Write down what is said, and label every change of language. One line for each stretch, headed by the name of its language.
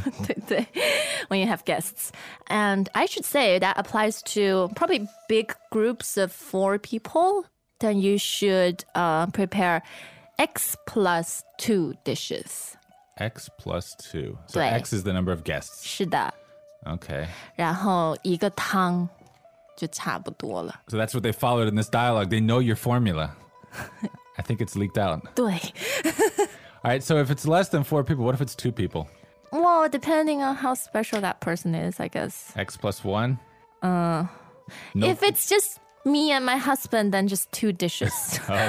Chinese: 对对
English: when you have guests. And I should say that applies to probably big groups of four people. Then you should prepare X plus two dishes. X plus two. So X is the number of guests.
Chinese: 是的。
English: Okay.
Chinese: 然后一个汤就差不多了。
English: So that's what they followed in this dialogue. They know your formula. I think it's leaked out.
Chinese: 对。
English: All right, so if it's less than four people, what if it's two people? Well, depending on how special that person is, I guess. X plus one? If it's just me and my husband, then just two dishes.